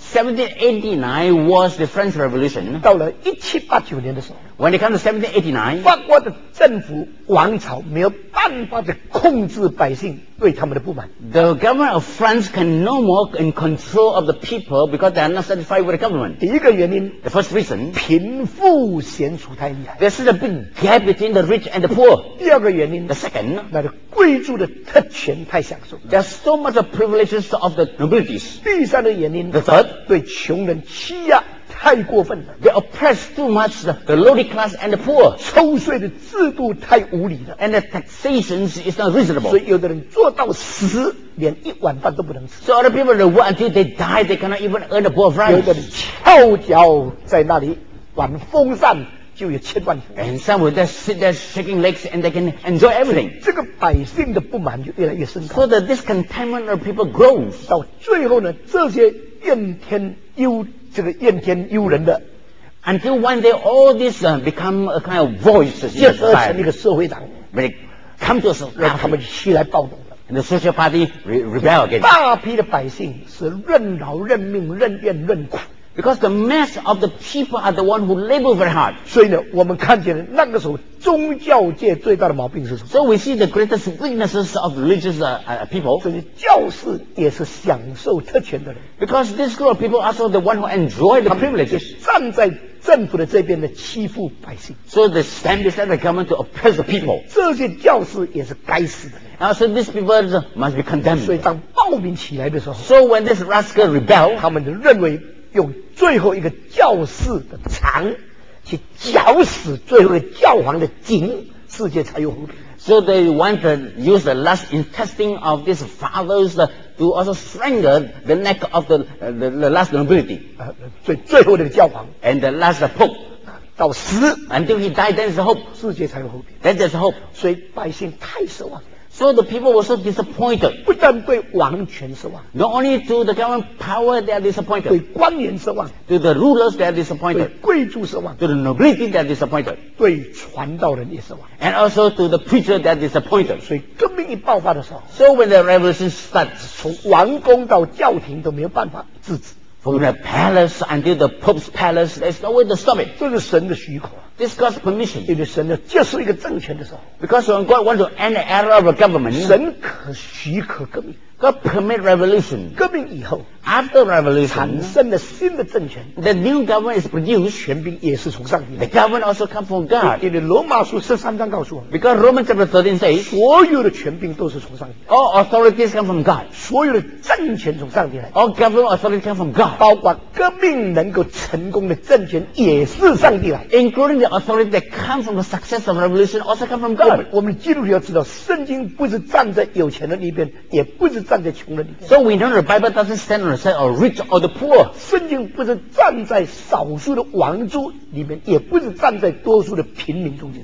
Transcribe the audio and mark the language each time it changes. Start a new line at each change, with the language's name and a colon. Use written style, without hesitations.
English: 1789 was the French Revolution.
Chinese: 到了1789年的时候。
English: When it comes to 1789,
Chinese: 法国的政府王朝没有办法的控制百姓对他们的不满。
English: The government of France can no more in control of the people because they are not satisfied with the government.
Chinese: 第一个原因
English: ，The first reason,
Chinese: 贫富悬殊太厉害。
English: There is a big gap between the rich and the poor.
Chinese: 第二个原因
English: ，The second,
Chinese: 那是贵族的特权太享受。
English: There are so much of privileges of the nobilities.
Chinese: 第三个原因
English: ，The third,
Chinese: 对穷人欺压。太过分了
English: They oppress too much the lowly class and the poor
Chinese: 抽税的制度太无理了
English: And the taxation is not reasonable
Chinese: 所以有的人做到死连一碗饭都不能吃
English: So other people that work until they die they cannot even earn a bowl of rice
Chinese: 有的人翘脚在那里玩风扇就有千万
English: And some will just sit there shaking legs and they can enjoy everything
Chinese: 这个百姓的不满就越来越深刻
English: So the discontentment of people grows
Chinese: 到最后呢这些怨天忧这个怨天尤人的
English: Until one day all this become a kind of voice
Chinese: 结合成一个社会党
English: When it come to a society
Chinese: 他们起来暴动了
English: And the social party rebel again
Chinese: 大批的百姓是任劳任命任怨任苦
English: Because the mass of the people are the one who labor very hard
Chinese: 所以呢我们看见那个时候宗教界最大的毛病是什么
English: So we see the greatest weaknesses of religious people
Chinese: 所以教士也是享受特权的人
English: Because this group of people also the one who enjoy the privileges
Chinese: 站在政府的这边的欺负百姓
English: So they stand beside the government to oppress the people
Chinese: 这些教士也是该死的人
English: Now, So these people must be condemned
Chinese: 所以当暴民起来的时候
English: So when this rascal rebel
Chinese: 他们就认为用最后一个教士的肠去绞死最后一个教皇的颈，世界才有和平。
English: So they want to use the last intestine of these fathers to also strangle the neck of the last nobility.
Chinese: 最后那个教皇。
English: And the last pope.
Chinese: 到死。
English: Until he died, there is hope.
Chinese: 世界才有和平。
English: Then there's hope.
Chinese: 所以百姓太失望。
English: So the people were so disappointed.
Chinese: 不但对王权失望。
English: Not only to the government power, they are disappointed.
Chinese: 对官员失望。
English: To the rulers, they are disappointed.
Chinese: 对贵族失望。
English: To the nobility, they are disappointed.
Chinese: 对传道人也失望。
English: And also to the preacher, they are disappointed.
Chinese: 所以革命一爆发的时候。
English: So when the revolution starts,
Chinese: 从王宫到教廷都没有办法制止。
English: From the palace until the Pope's palace, there's no way to stop it.
Chinese: 这是神的许可。
English: This God's permission.
Chinese: 因为神要结束一个政权的时候。
English: Because when God wants to end the era of a government.
Chinese: 神可许可革命。
English: God permit revolution.
Chinese: 革命以后。
English: After revolution.
Chinese: 产生了新的政权。
English: The new government is produced.
Chinese: 权柄也是从上帝。
English: The government also comes from God.
Chinese: 因为罗马书13章告诉我们。
English: Because Romans chapter 13 says.
Chinese: 所有的权柄都是从上帝。
English: All authorities come from God.
Chinese: 所有的政权从上帝来。
English: All government authorities come from God.
Chinese: 包括革命能够成功的政权也是上帝来。
English: Including the authority that comes from the success of revolution also comes from God.
Chinese: 我们基督徒要知道圣经不是站在有钱人一边也不是站在穷人一边。
English: So we know the Bible doesn't stand on the side of rich or the poor.
Chinese: 圣经不是站在少数的王族里面也不是站在多数的平民中间。